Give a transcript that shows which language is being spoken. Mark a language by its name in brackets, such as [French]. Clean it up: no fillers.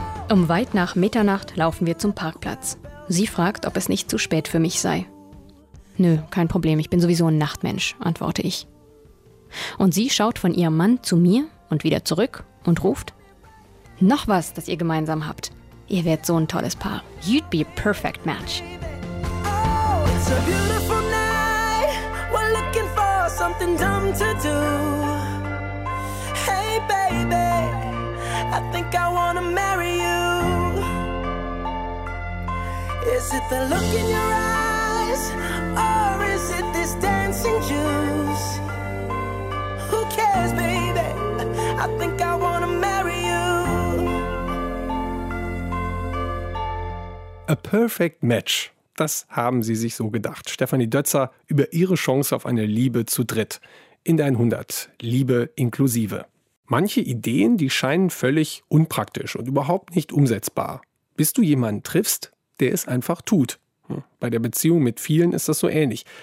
[German] Um weit nach Mitternacht laufen wir zum Parkplatz. Sie fragt, ob es nicht zu spät für mich sei. Nö, kein Problem, ich bin sowieso ein Nachtmensch, antworte ich. Und sie schaut von ihrem Mann zu mir und wieder zurück und ruft, noch was, das ihr gemeinsam habt. Ihr wärt so ein tolles Paar. [English] You'd be a perfect match. Oh, it's a beautiful night. We're looking for something. something dumb to do. Hey, baby, I think I wanna marry you. Is it the look in your eyes, or is it this dancing juice? Who cares, baby? I think I wanna marry you. A perfect match. [German] Das haben sie sich so gedacht. Stefanie Dötzer über ihre Chance auf eine Liebe zu dritt. In der 100. Liebe inklusive. Manche Ideen, die scheinen völlig unpraktisch und überhaupt nicht umsetzbar. Bis du jemanden triffst, der es einfach tut. Bei der Beziehung mit vielen ist das so ähnlich.